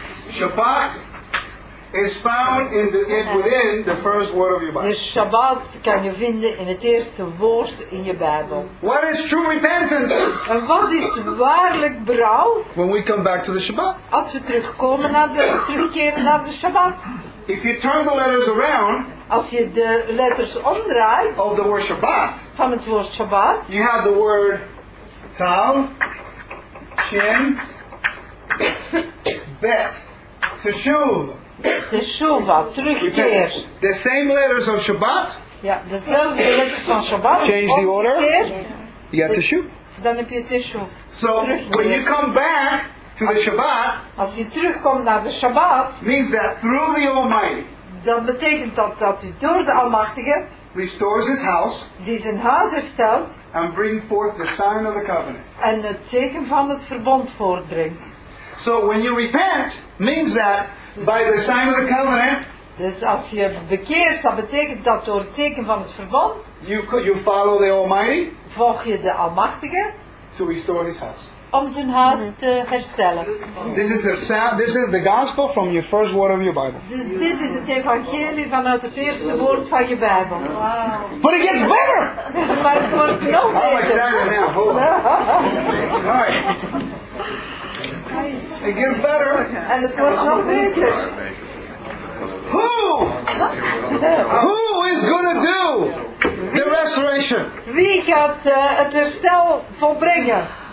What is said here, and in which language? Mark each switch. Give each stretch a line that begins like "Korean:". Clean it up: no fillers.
English: Shabbat is found in within the first word of your Bible.
Dutch: Dus Shabbat kan je vinden in het eerste woord in je Bijbel.
English: What is true repentance?
Dutch: En wat is waarlijk berouw?
English: When we come back to the Shabbat.
Dutch: Als we terugkomen naar de terugkeren naar de Shabbat.
English: If you turn the letters around.
Dutch: Als je de letters omdraait.
English: Of the word Shabbat.
Dutch: Van het woord Shabbat.
English: You have the word Tav, Shin, Bet, Teshuv.
Dutch: Teshuva, terugkeer.
English: The same letters of Shabbat.
Dutch: Ja, dezelfde letters van Shabbat.
English: Change the order.
Dutch: Je hebt Teshuv. Dan heb je Teshuv.
English: So, when you come back to the Shabbat.
Dutch: Als je terugkomt naar de Shabbat.
English: Means that through the Almighty.
Dutch: Dat betekent dat u door de Almachtige.
English: Restores his house.
Dutch: Die zijn huis herstelt.
English: And bring forth the sign of the covenant.
Dutch: En het teken van het verbond voortbrengt.
English: So, when you repent, means that. By the sign of the covenant.
Dutch: Dus als je bekeert, dat betekent dat door het teken van het verbond.
English: You follow the Almighty.
Dutch: Volg je de Almachtige.
English: To restore his house.
Dutch: Om zijn huis te herstellen.
English: This is the gospel from your first word of your Bible.
Dutch: Dus dit is het evangelie vanuit het eerste woord van je Bijbel.
English: Wow. But it gets better.
Dutch: Maar het wordt nog beter.
English: I'm excited now. Hold on. All right. It gets better. And it was not better. Who? Who is gonna do the restoration?
Dutch: Wie gaat het herstel volbrengen?